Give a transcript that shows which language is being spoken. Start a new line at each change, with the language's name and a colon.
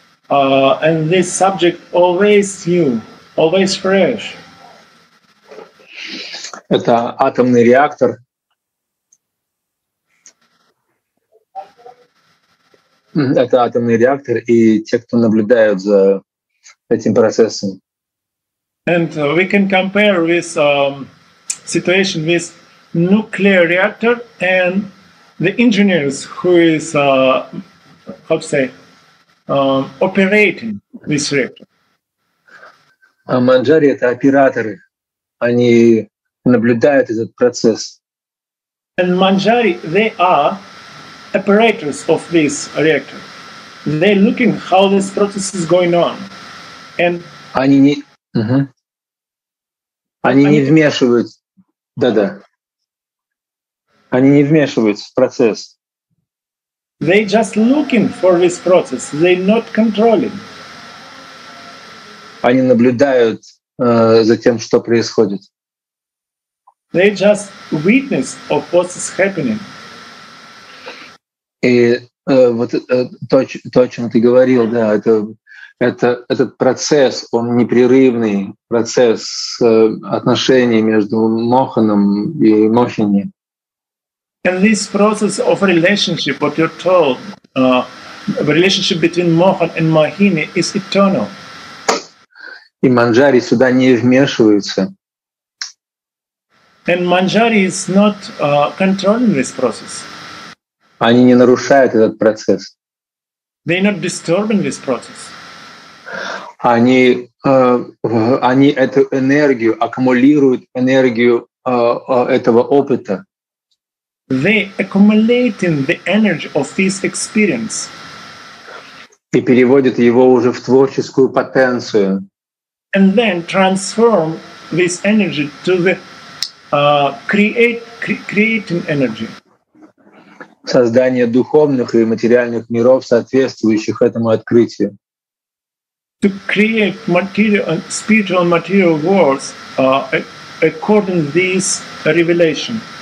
English: And this subject always new, always fresh.
Russian: Это атомный реактор. Это атомный реактор, и те, кто наблюдают за этим процессом.
English: And we can compare this situation with nuclear reactor and the engineers who is how to say. Operating this reactor.
Russian: Манджари — это операторы. Они наблюдают этот процесс.
English: And Manjari, they are operators of this reactor. They're looking how this process is going on. And
Russian: они не, угу. Они не вмешиваются. Да-да. Они не вмешиваются в процесс.
English: They just looking for this process. They not controlling.
Russian: Они наблюдают за тем, что происходит.
English: They just witness of what is happening.
Russian: И вот то, о чем ты говорил, да, этот процесс, он непрерывный процесс отношений между Моханом и Мохини.
English: And this process of relationship, what you're told, relationship between Mohan and Mohini is eternal.
Russian: И Манджари сюда не вмешивается.
English: And Manjari is not controlling this process.
Russian: Они не нарушают этот процесс.
English: They're not disturbing this process.
Russian: Они эту энергию, аккумулируют энергию этого опыта.
English: They accumulating the energy of this experience.
Russian: И переводит его уже в творческую потенцию.
English: And then transform this energy to the creating energy.
Russian: Создание духовных и материальных миров, соответствующих этому открытию.
English: To create material and spiritual material worlds according to this revelation.